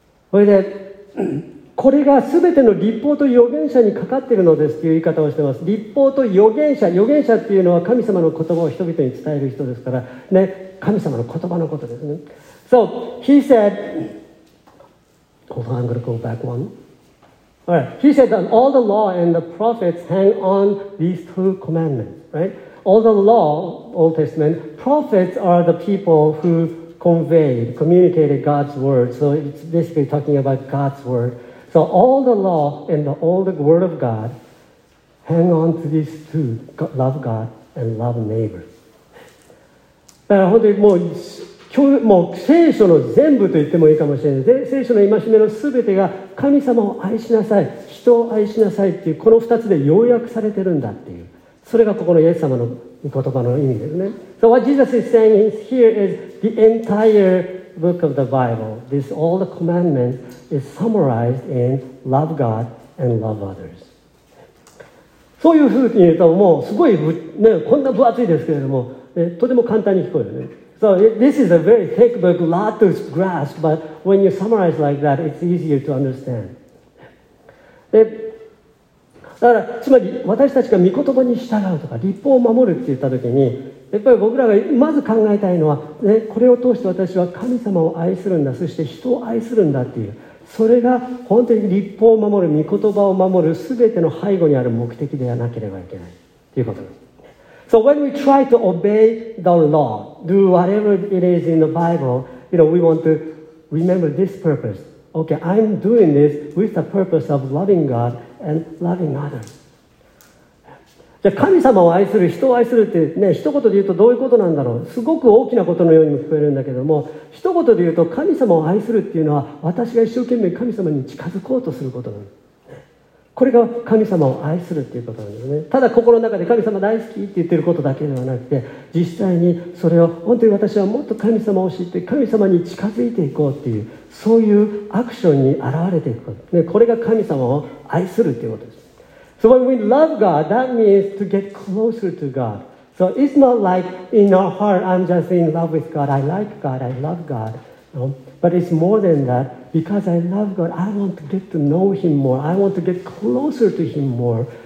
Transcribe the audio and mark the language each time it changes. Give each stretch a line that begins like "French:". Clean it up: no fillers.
Japanese: それで、これが全ての律法と預言者にかかっているのですという言い方をしています。律法と預言者、預言者っていうのは神様の言葉を人々に伝える人ですからね、神様の言葉のことですね。
English: So he said Hold on, I'm going to go back one. All right. He said that all the law and the prophets hang on these two commandments, right? All the law, Old Testament, prophets are the people who conveyed, communicated God's word. So it's basically talking about God's word. So all the law and all the word of God hang on to these two, love God and love neighbor.
Japanese: だから本当にもう聖書の全部と言ってもいいかもしれない。で、聖書の戒めの全てが神様を愛しなさい、人を愛しなさいっていうこの2つで要約されてるんだっていう。それがここのイエス様の言葉の意味ですね。
English: So what Jesus is saying here is the entire book of the Bible. This all the commandments. is summarized in love God and love others.
Japanese: そういうふうに言うともうすごい、ね、こんな分厚いですけれども、ね、とても簡単に聞こえるね。
English: So this is a very thick book, lot to grasp, but when you summarize like that, it's easier to understand.
Japanese: でだからつまり私たちが御言葉に従うとか律法を守るって言ったときに、やっぱり僕らがまず考えたいのは、ね、これを通して私は神様を愛するんだ、そして人を愛するんだっていう、それが本当に律法を守る、御言葉を守る、すべての背後にある目的ではなければいけないということです。
English: So when we try to obey the law, do whatever it is in the Bible, you know, we want to remember this purpose. Okay, I'm doing this with the purpose of loving God and loving others.
Japanese: じゃあ神様を愛する、人を愛するってね、一言で言うとどういうことなんだろう。すごく大きなことのようにも聞こえるんだけども、一言で言うと神様を愛するっていうのは、私が一生懸命神様に近づこうとすることなの。これが神様を愛するっていうことなんですね。ただ心の中で神様大好きって言ってることだけではなくて、実際にそれを本当に私はもっと神様を知って神様に近づいていこうっていう、そういうアクションに現れていくこと。ね、これが神様を愛するっていうことです。
English: So when we love God, that means to get closer to God. So it's not like in our heart, I'm just in love with God. I like God. I love God. No? But it's more than that. Because I love God, I want to get to know Him more. I want to get closer to Him more.